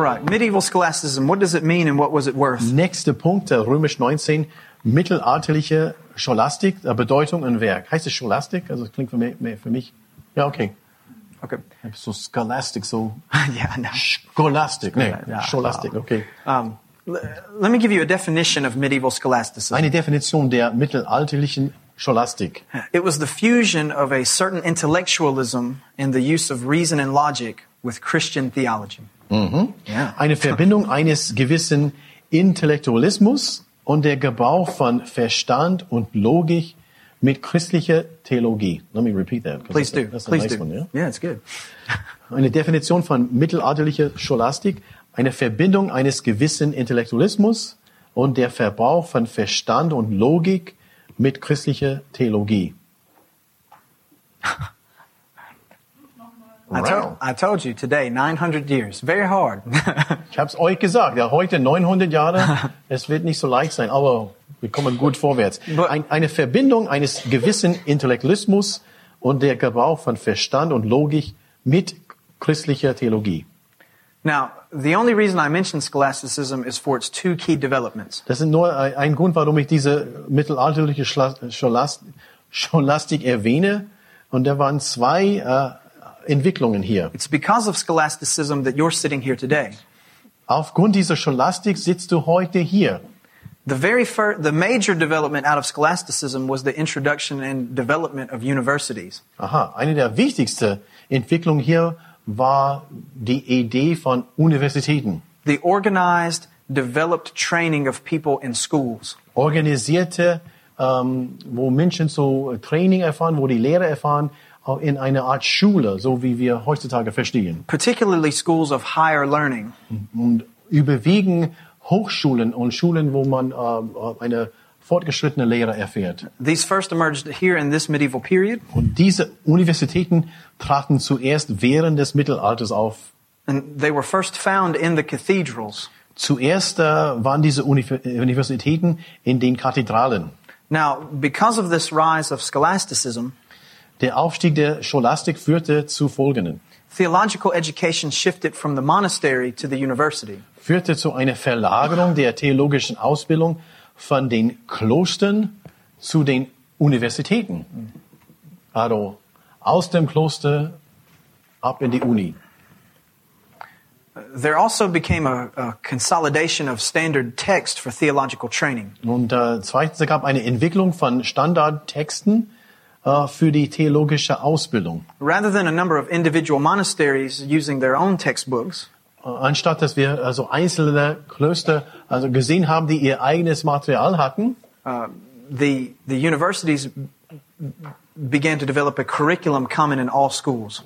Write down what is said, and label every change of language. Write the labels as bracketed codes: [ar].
[en] Medieval Scholasticism, what does it mean and what was it worth? [de] Nächster Punkt, der römisch 19, mittelalterliche Scholastik, Bedeutung und Werk. Heißt es Scholastik? Also es klingt für mich. Ja, okay. Okay. So Scholastik, so. Ja, na. Scholastik, nee. Ja, Scholastik, wow. Okay. [en] Let me give you a definition of medieval Scholasticism. [de] Eine Definition der mittelalterlichen Scholastik. [en] It was the fusion of a certain intellectualism in the use of reason and logic with Christian theology. Mhm. [de] Eine Verbindung eines gewissen Intellektualismus und der Gebrauch von Verstand und Logik mit christlicher Theologie. [en] Let me repeat that. Please do. That's a please nice do. One, yeah? Yeah, it's good. [de] Eine Definition von mittelalterlicher Scholastik, eine Verbindung eines gewissen Intellektualismus und der Verbrauch von Verstand und Logik mit christlicher Theologie. [en] Wow. I told you today, 900 years. Very hard. [de] Ich hab's euch gesagt. Ja, heute 900 Jahre. Es wird nicht so leicht sein, aber wir kommen gut vorwärts. Eine Verbindung eines gewissen Intellektualismus und der Gebrauch von Verstand und Logik mit christlicher Theologie. [en] Now, the only reason I mention Scholasticism is for its two key developments. [de] Das ist nur ein Grund, warum ich diese mittelalterliche Scholastik erwähne. Und da waren zwei, Entwicklungen hier. [en] It's because of Scholasticism that you're sitting here today. [de] Aufgrund dieser Scholastik sitzt du heute hier. [en] The major development out of Scholasticism was the introduction and development of universities. [de] Aha, eine der wichtigsten Entwicklungen hier war die Idee von Universitäten. [en] The organized, developed training of people in schools. [de] Organisierte, wo Menschen so Training erfahren, wo die Lehrer erfahren, in einer Art Schule, so wie wir heutzutage verstehen. [en] Particularly schools of higher learning. [de] Und überwiegend Hochschulen und Schulen, wo man eine fortgeschrittene Lehre erfährt. [en] These first emerged here in this medieval period. [de] Und diese Universitäten traten zuerst während des Mittelalters auf. [en] And they were first found in the cathedrals. [de] Zuerst waren diese Universitäten in den Kathedralen. [en] Now, because of this rise of Scholasticism, [de] der Aufstieg der Scholastik führte zu folgenden. [en] Theological education shifted from the monastery to the university. [de] Führte zu einer Verlagerung der theologischen Ausbildung von den Klostern zu den Universitäten. Also aus dem Kloster ab in die Uni. [en] There also became a consolidation of standard text for theological training. [de] Und zweitens gab eine Entwicklung von Standardtexten für die theologische Ausbildung. [en] Rather than a number of individual monasteries using their own textbooks, [de] anstatt dass wir also einzelne Klöster also gesehen haben, die ihr eigenes Material hatten, [en] the universities began to develop a curriculum common in all schools.